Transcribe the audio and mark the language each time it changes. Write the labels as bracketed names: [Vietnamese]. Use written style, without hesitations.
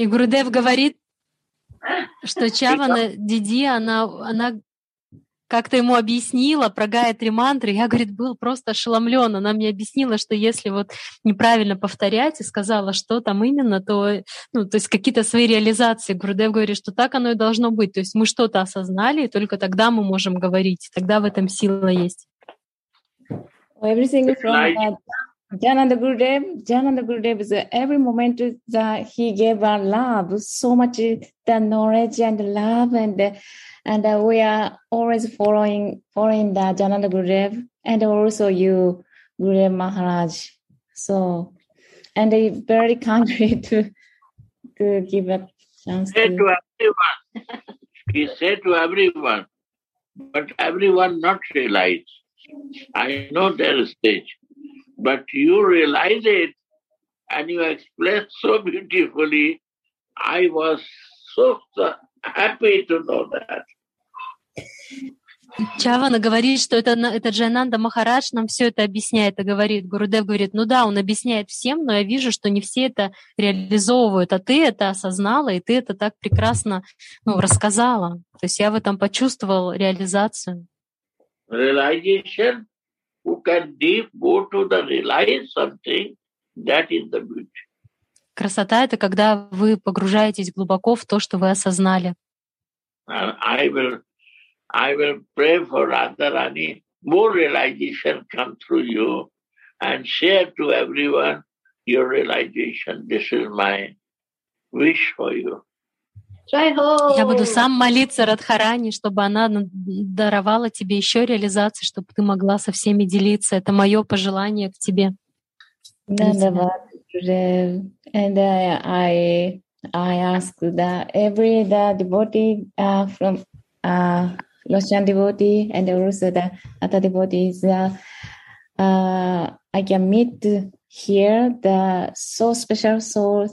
[Russian] Gurudev говорит, что Чавана Диди, она как-то ему объяснила про Гаятри мантры. Я, говорит, был просто ошеломлен. Она мне объяснила, что если вот неправильно повторять и сказала, что там именно, то, ну, то есть какие-то свои реализации. Гурудев говорит, что так оно и должно быть. То есть мы что-то осознали, и только тогда мы можем говорить. Тогда в этом сила есть. [English] Everything is from Jananda Gurudev is every moment that he gave our love, so much the knowledge and the love and we are always following the Jananda Gurudev and also you, Gurudev Maharaj. So, and I'm very concrete to give a chance. He said to everyone, but everyone not realize. I know their stage, but you realize it and you explain so beautifully. I was so happy to know that. [Russian] Чавана говорит, что это Джайананда Махарадж нам все это объясняет и говорит. Гурудев говорит, ну да, он объясняет всем, но я вижу, что не все это реализовывают, а ты это осознала, и ты это так прекрасно, ну, рассказала. То есть я в этом почувствовал реализацию. [English] Realization, who can deep go to the realize something, that is the beauty. [Russian] Красота — это когда вы погружаетесь глубоко в то, что вы осознали. [English] I will pray for Radharani, more realization come through you and share to everyone your realization. This is my wish for you. [Hindi] Jai-ho! [Russian] Я буду сам молиться Радхарани, чтобы она даровала тебе еще реализацию, чтобы ты могла со всеми делиться. Это мое пожелание к тебе. [English] And I ask that every devotee from Lushan devotee and also the other devotees, I can meet here the so special soul.